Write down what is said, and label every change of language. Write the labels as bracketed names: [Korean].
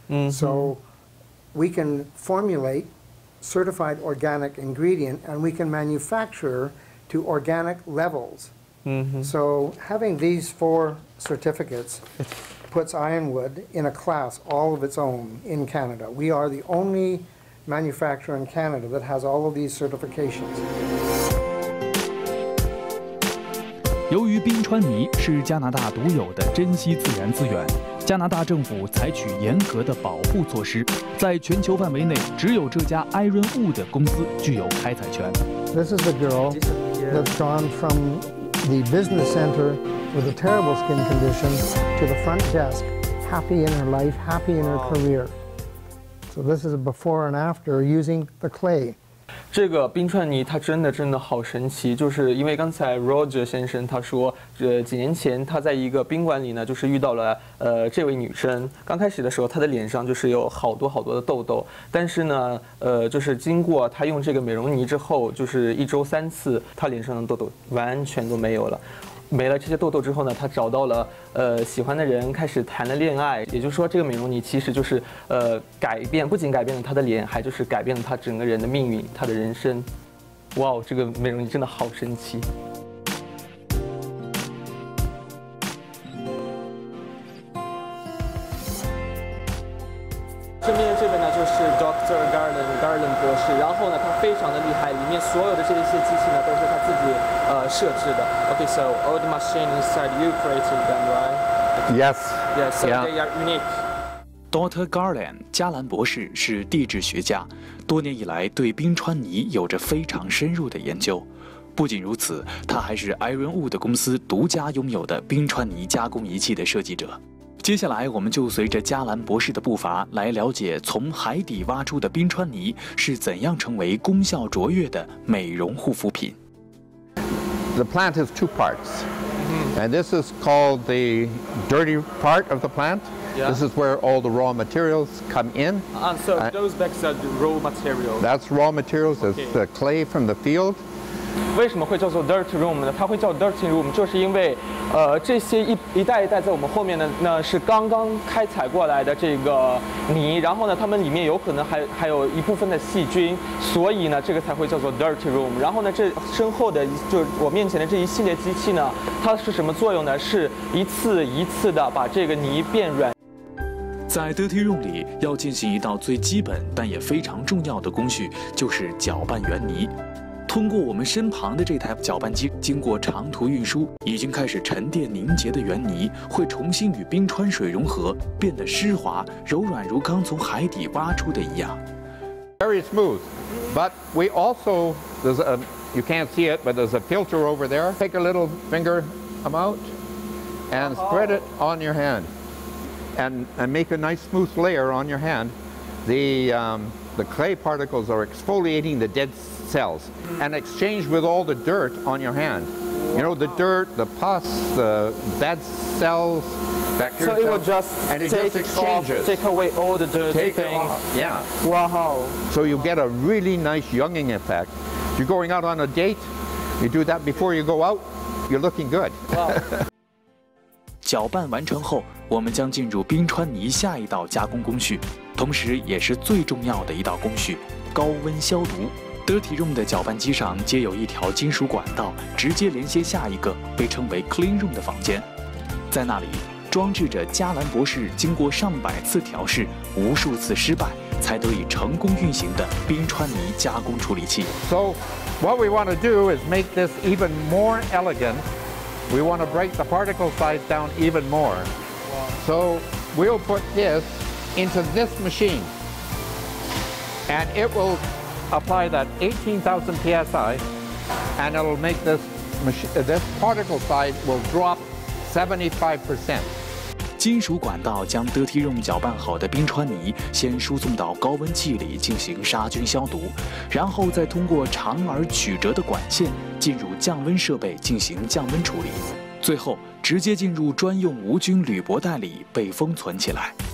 [English] So we can formulate certified organic ingredient, and we can manufacture to organic levels. So having these four certificates, puts ironwood in a class all of its own in Canada. We are the only manufacturer in Canada that has all of these certifications. [Chinese] 由于冰川泥是加拿大独有的珍稀自然资源，加拿大政府采取严格的保护措施，在全球范围内只有这家 Ironwood 公司具有开采权。 [English] This is the girl that's gone from the business center with a terrible skin condition to the front desk, happy in her life, happy in her career. So this is a before and after using the clay. [Chinese] 这个冰川泥它真的好神奇，就是因为刚才 Roger 先生他说几年前他在一个宾馆里呢，就是遇到了这位女生，刚开始的时候她的脸上就是有好多好多的痘痘，但是呢就是经过她用这个美容泥之后，就是一周三次她脸上的痘痘完全都没有了。没了这些痘痘之后呢，她找到了喜欢的人，开始谈了恋爱。也就是说，这个美容泥其实就是改变，不仅改变了她的脸，还就是改变了她整个人的命运，她的人生。哇，这个美容泥真的好神奇。身边这边呢就是 Dr. Garland 博士，然后呢他非常的厉害，里面所有的这些机器呢都是他自己设置的。 [English] Okay, so all the machines inside you created them, right? Yes. Yes, so they are unique. [Chinese] Dr. Garland 加兰博士是地质学家，多年以来对冰川泥有着非常深入的研究。不仅如此，他还是 Ironwood 公司独家拥有的冰川泥加工仪器的设计者。接下来我们就随着加兰博士的步伐来了解从海底挖出的冰川泥是怎样成为功效卓越的美容护肤品。 [English] The plant has two parts, and this is called the dirty part of the plant. This is where all the raw materials come in. So those bags are the raw materials. That's raw materials, it's the clay from the field. [Chinese] 为什么会叫做 dirty room 呢？它会叫 dirty room 就是因为这些一袋一袋在我们后面的那是刚刚开采过来的这个泥，然后呢它们里面有可能还有一部分的细菌，所以呢这个才会叫做 dirty room。然后呢这身后的就我面前的这一系列机器呢，它是什么作用呢？是一次一次的把这个泥变软。在 dirty room 里要进行一道最基本但也非常重要的工序，就是搅拌原泥。通过我们身旁的这台搅拌机，经过长途运输，已经开始沉淀凝结的原泥会重新与冰川水融合，变得湿滑柔软，如刚从海底挖出的一样。 [English] Very smooth, but we also you can't see it, but there's a filter over there. Take a little finger, come out, and spread it on your hand, and make a nice smooth layer on your hand. The clay particles are exfoliating the dead cells and exchange with all the dirt on your hand. You know, the dirt, the pus, the bad cells, bacteria. So it will just, and it just exchanges. Off, take away all the dirt. Take things. It off. Yeah. Wow. So you get a really nice younging effect. If you're going out on a date, you do that before you go out, you're looking good. Wow. [Chinese] 搅拌完成后，我们将进入冰川泥下一道加工工序，同时也是最重要的一道工序——高温消毒。 Dirty Room 的搅拌机上接有一条金属管道，直接连接下一个被称为 Clean Room 的房间，在那里装置着加兰博士经过上百次调试、无数次失败才得以成功运行的冰川泥加工处理器。 [English] So, what we want to do is make this even more elegant. We want to break the particle size down even more. So we'll put this into this machine. And it will apply that 18,000 PSI, and it'll make this particle size will drop 75%. [Chinese] 金属管道将 Dirty Room 搅拌好的冰川泥先输送到高温器里进行杀菌消毒，然后再通过长而曲折的管线进入降温设备进行降温处理，最后直接进入专用无菌铝箔袋里被封存起来。